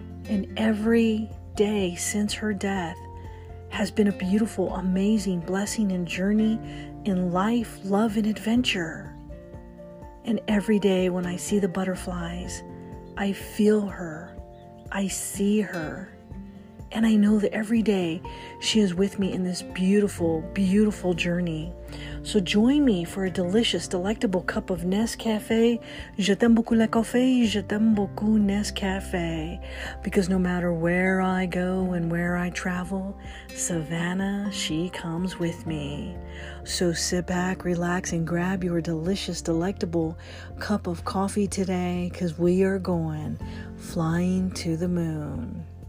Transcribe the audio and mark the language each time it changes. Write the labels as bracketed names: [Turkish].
[English] And every day since her death has been a beautiful, amazing blessing and journey in life, love, and adventure. And every day when I see the butterflies, I feel her, I see her, and I know that every day she is with me in this beautiful, beautiful journey. So join me for a delicious, delectable cup of Nescafé. [French] Je t'aime beaucoup le café, je t'aime beaucoup Nescafé. [English] Because no matter where I go and where I travel, Savannah, she comes with me. So sit back, relax, and grab your delicious, delectable cup of coffee today, because we are going flying to the moon.